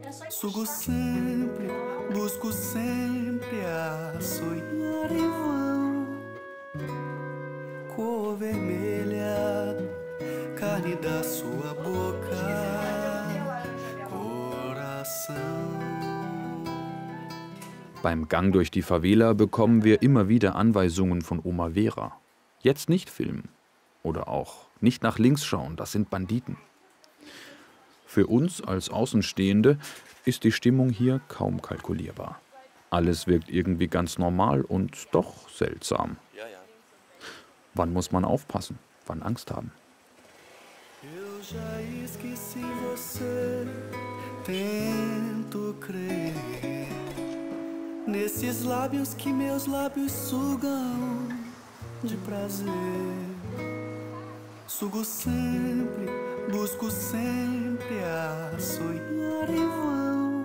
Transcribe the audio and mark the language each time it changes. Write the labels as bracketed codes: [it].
[pt] Sugo sempre, busco sempre a sonhar em vão. Cor vermelha, carne da sua boca, coração. [de] Beim Gang durch die Favela bekommen wir immer wieder Anweisungen von Oma Vera. Jetzt nicht filmen. Oder auch nicht nach links schauen, das sind Banditen. Für uns als Außenstehende ist die Stimmung hier kaum kalkulierbar. Alles wirkt irgendwie ganz normal und doch seltsam. Wann muss man aufpassen? Wann Angst haben? [pt] Eu já esqueci você, tento crer nesses lábios que meus lábios sugam de prazer. Sugo sempre, busco sempre a sonhar em vão.